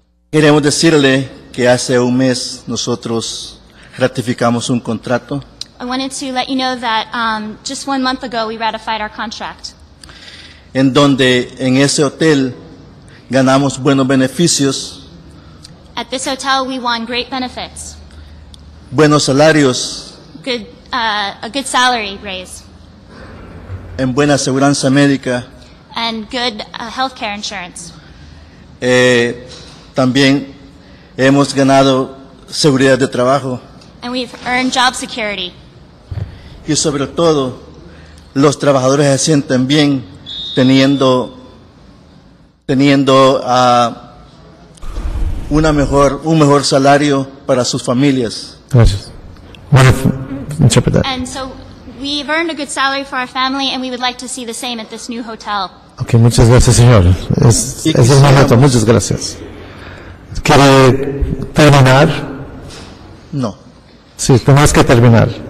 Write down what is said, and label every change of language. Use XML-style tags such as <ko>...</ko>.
<es>Queremos decirle que hace un mes nosotros ratificamos un contrato.</es> <en>I wanted to let you know that just 1 month ago we ratified our contract.</en> <es>En donde en ese hotel ganamos buenos beneficios.</es> <en>At this hotel we won great benefits.</en> <es>Buenos salarios.</es> <en>Good, a good salary raise.</en> <es>En buena seguridad médica.</es> <en>And good health care insurance.</en> <es>También hemos ganado seguridad de trabajo.</es> <en>And we've earned job security.</en> <es>Y sobre todo, los trabajadores se sienten bien teniendo un mejor salario para sus familias. Gracias.</es> <en>Wonderful. Interpret that. And so we've earned a good salary for our family, and we would like to see the same at this new hotel.</en> <es>Okay, muchas gracias, señor. Es el momento. Muchas gracias. ¿Quiere terminar? No. Sí, tenemos que terminar.</es>